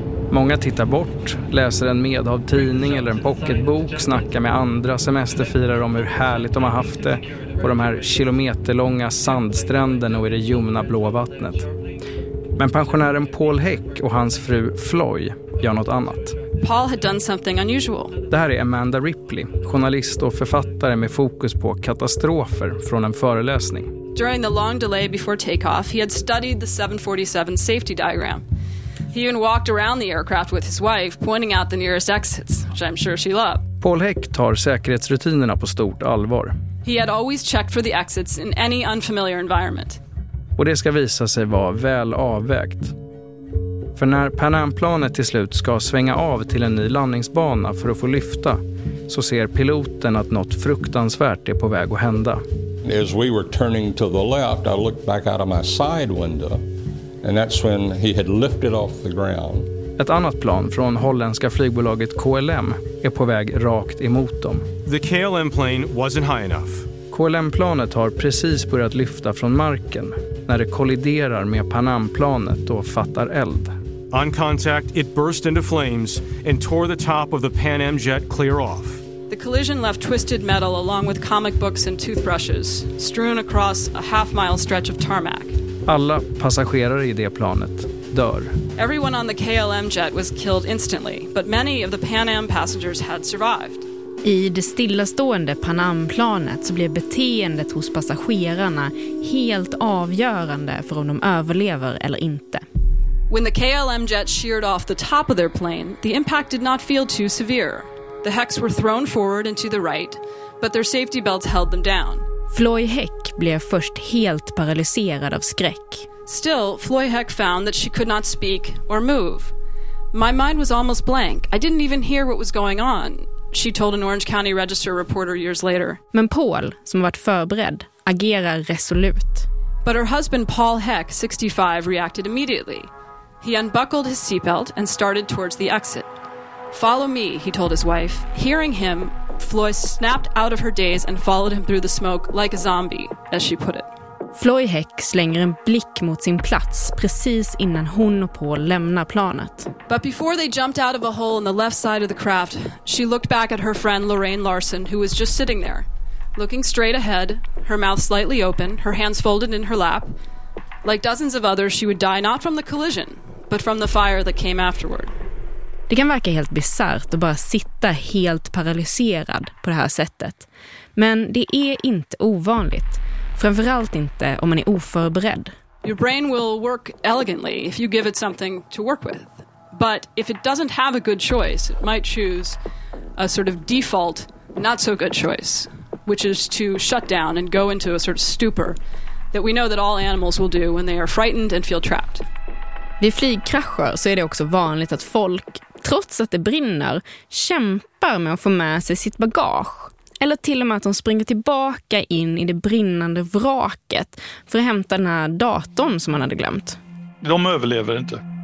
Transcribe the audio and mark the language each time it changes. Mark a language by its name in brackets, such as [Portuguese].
[Swedish] Många tittar bort, läser en medhavd tidning eller en pocketbok, snackar med andra semesterfirare om hur härligt de har haft det på de här kilometerlånga sandstränderna och i det ljumna blå vattnet. Men pensionären Paul Heck och hans fru Floy gör något annat. [English] Paul had done something unusual. [Swedish] Det här är Amanda Ripley, journalist och författare med fokus på katastrofer från en föreläsning. [English] During the long delay before takeoff, he had studied the 747 safety diagram. He even walked around the aircraft with his wife, pointing out the nearest exits, which I'm sure she loved. [Swedish] Paul Heck tar säkerhetsrutinerna på stort allvar. [English] He had always checked for the exits in any unfamiliar environment. [Swedish] Och det ska visa sig vara väl avvägt. För när Pan Am-planet till slut ska svänga av till en ny landningsbana för att få lyfta, så ser piloten att något fruktansvärt är på väg att hända. [English] As we were turning to the left, I looked back out of my side window, and that's when he had lifted off the ground. [Swedish] Ett annat plan från holländska flygbolaget KLM är på väg rakt emot dem. [English] The KLM plane wasn't high enough. [Swedish] KLM-planet har precis börjat lyfta från marken när det kolliderar med Pan Am-planet och fattar eld. [English] On contact, it burst into flames and tore the top of the Pan Am jet clear off. The collision left twisted metal along with comic books and toothbrushes strewn across a half-mile stretch of tarmac. [Swedish] Alla passagerare i det planet dör. [English] Everyone on the KLM jet was killed instantly, but many of the Pan Am passengers had survived. [Swedish] I det stillastående Pan Am-planet så blir beteendet hos passagerarna helt avgörande för om de överlever eller inte. [English] When the KLM jet sheared off the top of their plane, the impact did not feel too severe. The Hecks were thrown forward and to the right, but their safety belts held them down. [Swedish] Floy Heck blev först helt paralyserad av skräck. [English] Still, Floy Heck found that she could not speak or move. My mind was almost blank. I didn't even hear what was going on, she told an Orange County Register reporter years later. [Swedish] Men Paul, som varit förberedd, agerar resolut. [English] But her husband Paul Heck, 65, reacted immediately. He unbuckled his seatbelt and started towards the exit. Follow me, he told his wife. Hearing him, Floy snapped out of her daze and followed him through the smoke like a zombie, as she put it. [Swedish] Floy Heck slänger en blick mot sin plats precis innan hon och Paul lämnar planet. [English] But before they jumped out of a hole in the left side of the craft, she looked back at her friend Lorraine Larson, who was just sitting there, looking straight ahead, her mouth slightly open, her hands folded in her lap. Like dozens of others, she would die not from the collision, but from the fire that came afterward. [Swedish] Det kan verka helt bisarrt att bara sitta helt paralyserad på det här sättet. Men det är inte ovanligt. Framförallt inte om man är oförberedd. [English] Your brain will work elegantly if you give it something to work with. But if it doesn't have a good choice, it might choose a sort of default, not so good choice, which is to shut down and go into a sort of stupor that we know that all animals will do when they are frightened and feel trapped. [Swedish] Vid flygkrascher så är det också vanligt att folk, trots att det brinner, kämpar med att få med sig sitt bagage. Eller till och med att de springer tillbaka in i det brinnande vraket för att hämta den här datorn som man hade glömt. De överlever inte.